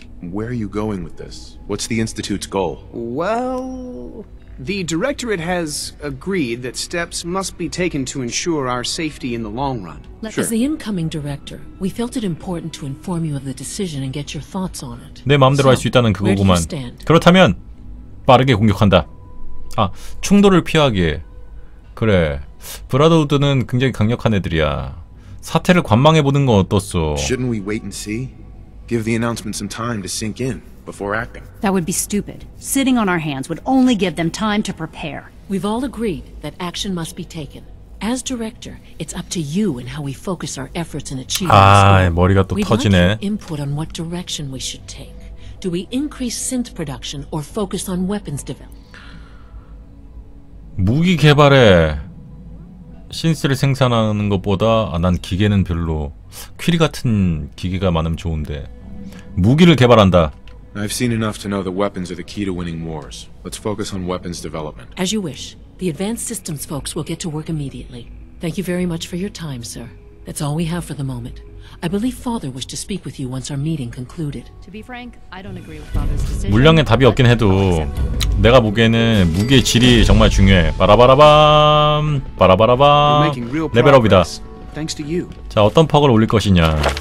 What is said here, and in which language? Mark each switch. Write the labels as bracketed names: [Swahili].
[English] Where are you going with this? What's the institute's goal? Well. The Directorate has agreed that steps must be taken to ensure our safety in the long run. As the incoming Director, we felt it important to inform you of the decision and get your thoughts on it. [Korean] 내 마음대로 할 수 있다는 그거구만. 그렇다면 빠르게 공격한다. 아, 충돌을 피하기에. 그래, 브라더우드는 굉장히 강력한 애들이야. 사태를 관망해보는 건 어떻소? [English] Shouldn't we wait and see? Give the announcement some time to sink in before acting. That would be stupid. Sitting on our hands would only give them time to prepare. We've all agreed that action must be taken. As director, it's up to you in how we focus our efforts and achieve this goal. [Korean] 아, 머리가 또 터지네. [English] We'd like your input on what direction we should take. Do we increase synth production or focus on weapons development? [Korean] 무기 개발에 신스를 생산하는 것보다 아, 난 기계는 별로 퀴리 같은 기계가 많으면 좋은데 무기를 개발한다. [English] I've seen enough to know that weapons are the key to winning wars. Let's focus on weapons development. As you wish. The advanced systems folks will get to work immediately. Thank you very much for your time, sir. That's all we have for the moment. I believe father wished to speak with you once our meeting concluded. To be frank, I don't agree with father's decision. [Korean] 물량에 답이 없긴 해도 내가 보기에는 무기의 질이 정말 중요해. 바라바라밤. 바라바라밤. 레벨업이다. [English] Thanks to you. [Korean] 자, 어떤 퍽을 올릴 것이냐.